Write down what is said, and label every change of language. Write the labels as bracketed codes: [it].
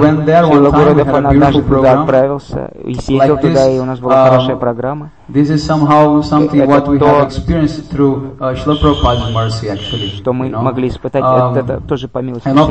[ru] Шрила Гуру Дев однажды туда отправился, и съездил туда, и у нас была хорошая программа. [en] This is somehow something what we have experienced through Shrila Prabhupada's mercy, actually. [ru] Что мы могли испытать, это тоже по милости